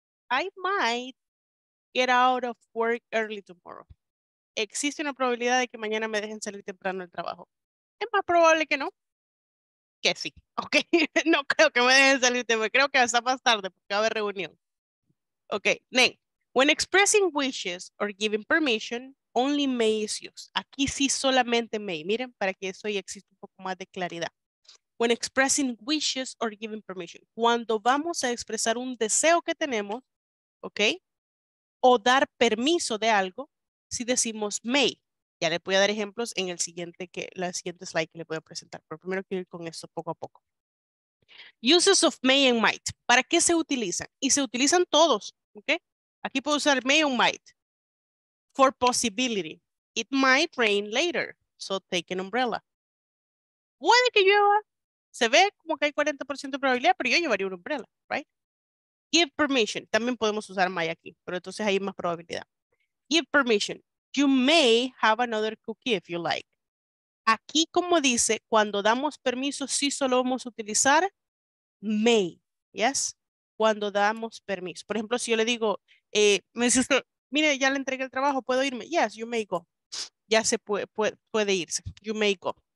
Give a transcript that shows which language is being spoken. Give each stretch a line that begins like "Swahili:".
English: I might get out of work early tomorrow.
Spanish: Existe una probabilidad de que mañana me dejen salir temprano del trabajo. Es más probable que no, que sí. Ok, no creo que me dejen salir temprano. Creo que hasta más tarde porque va a haber reunión. Ok, Nen.
English: When expressing wishes or giving permission, only may is used.
Spanish: Aquí sí solamente may. Miren, para que eso ya exista un poco más de claridad.
English: When expressing wishes or giving permission.
Spanish: Cuando vamos a expresar un deseo que tenemos, ¿ok? O dar permiso de algo, si decimos may. Ya le voy a dar ejemplos en la siguiente slide que le voy a presentar. Pero primero quiero ir con esto poco a poco.
English: Uses of may and might.
Spanish: ¿Para qué se utilizan? Y se utilizan todos, ¿ok? Aquí puedo usar may and might.
English: For possibility, it might rain later, so take an umbrella.
Spanish: Puede que llueva, se ve como que hay 40% de probabilidad, pero yo llevaría una
English: umbrella, right? Give permission,
Spanish: también podemos usar may aquí, pero entonces hay más probabilidad.
English: Give permission, you may have another cookie if you like.
Spanish: Aquí, como dice, cuando damos permiso, sí solo vamos a utilizar may, yes? Cuando damos permiso. Por ejemplo, si yo le digo, mire, ya le entregué el trabajo, ¿puedo irme?
English: Yes, you may go.
Spanish: Ya se puede irse.
English: You may go.